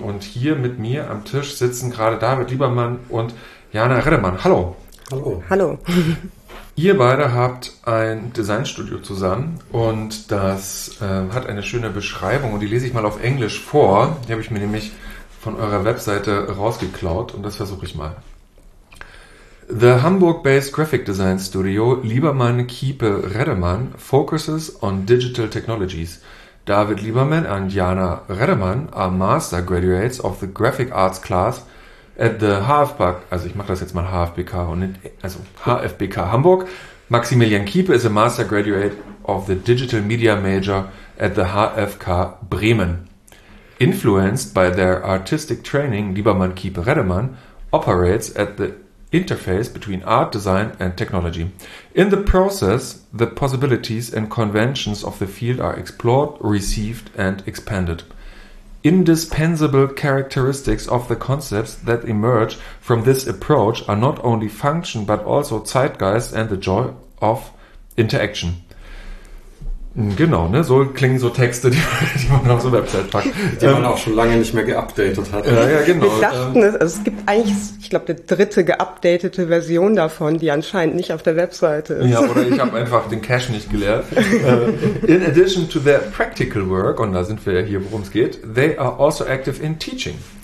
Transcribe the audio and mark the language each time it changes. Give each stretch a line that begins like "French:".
German: Und hier mit mir am Tisch sitzen gerade David Liebermann und Jana Reddemann. Hallo. Hallo. Hallo. Ihr beide habt ein Designstudio zusammen und das hat eine schöne Beschreibung und die lese ich mal auf Englisch vor. Die habe ich mir nämlich von eurer Webseite rausgeklaut und das versuche ich mal.
English: The Hamburg-based graphic design studio Liebermann Kiepe Reddemann focuses on digital technologies. David Liebermann and Jana Reddemann are master graduates of the graphic arts class at the HFBK,
German: also ich mache das jetzt mal HFBK, und nicht, also HFBK Hamburg.
English: Maximilian Kiepe is a master graduate of the digital media major at the HFK Bremen. Influenced by their artistic training, Liebermann Kiepe Reddemann operates at the interface between art, design and technology. In the process, the possibilities and conventions of the field are explored, received and expanded. Indispensable characteristics of the concepts that emerge from this approach are not only function but also Zeitgeist and the joy of interaction.
German: Genau, ne? So klingen so Texte, die man auf so Website packt. Die man auch schon lange nicht mehr geupdatet hat. Ja, genau. Wir dachten, es gibt eigentlich, ich glaube, die dritte geupdatete Version davon, die anscheinend nicht auf der Webseite ist. Ja, oder ich habe einfach den Cache nicht geleert.
English: In addition to their practical work,
German: und da sind wir ja hier, worum es geht,
English: they are also active in teaching.